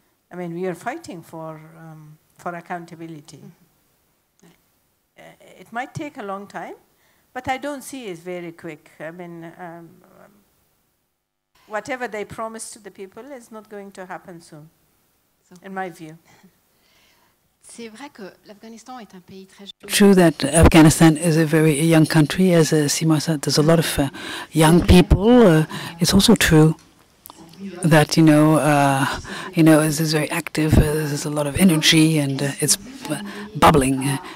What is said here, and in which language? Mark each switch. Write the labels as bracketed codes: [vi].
[en] I mean, we are fighting for accountability. Mm-hmm. It might take a long time, but I don't see it very quick. I mean, whatever they promise to the people is not going to happen soon, so, in my view. [fr] C'est vrai que l'Afghanistan est un pays très jeune. [en] True that Afghanistan is a very young country, as Sima said. There's a lot of young people. It's also true that, you know, this is very active, there's a lot of energy, and it's bubbling.